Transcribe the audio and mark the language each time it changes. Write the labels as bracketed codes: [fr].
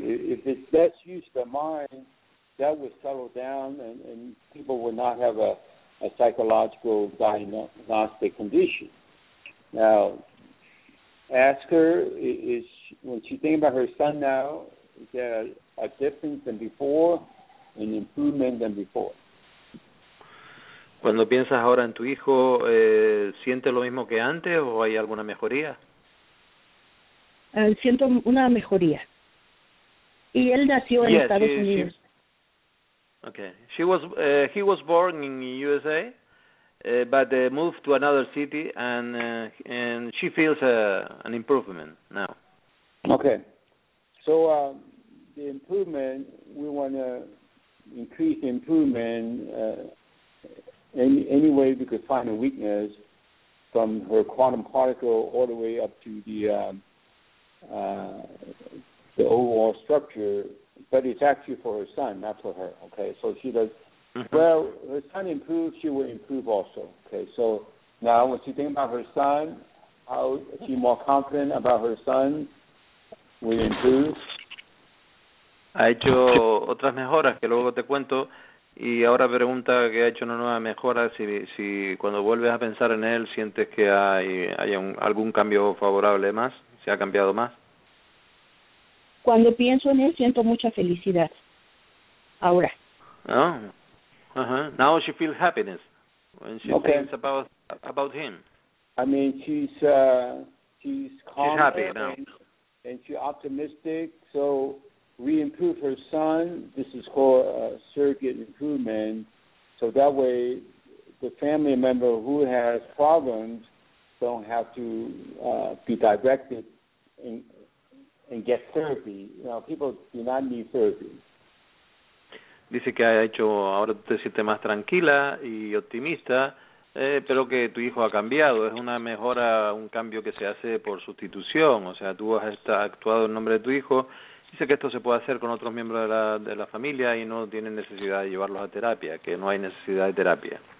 [en] If it's best use the mind, that would settle down and people would not have a psychological diagnostic condition. Now, ask her, is when she thinks about her son now, is there a difference than before, an improvement than before? [es] Cuando piensas ahora en tu hijo, ¿sientes lo mismo que antes o hay alguna mejoría? Siento una mejoría. Y él nació en Estados Unidos. [en] Okay. He was born in USA, but moved to another city, and she feels an improvement now. Okay. So the improvement, we want to increase improvement any way we could find a weakness from her quantum particle all the way up to the overall structure. But it's actually for her son, not for her, okay? So she does, well, her son improves, she will improve also, okay? So now when she thinks about her son, how is she more confident about her son will improve? [es] Ha hecho otras mejoras que luego te cuento, y ahora pregunta que ha hecho una nueva mejora, si cuando vuelves a pensar en él, sientes que hay algún cambio favorable más, si ha cambiado más. Cuando pienso en él, siento mucha felicidad. Ahora. Oh. [en] Uh-huh. Now she feels happiness when she thinks about him. I mean, she's calm. She's happy now. And she's optimistic. So we improve her son. This is called a surrogate improvement. So that way, the family member who has problems don't have to be directed and get therapy. You know, people do not need therapy. [es] Dice que ha hecho ahora te sientes más tranquila y optimista, pero que tu hijo ha cambiado. Es una mejora, un cambio que se hace por sustitución. O sea, tú has actuado en nombre de tu hijo. Dice que esto se puede hacer con otros miembros de la familia y no tiene necesidad de llevarlos a terapia, que no hay necesidad de terapia.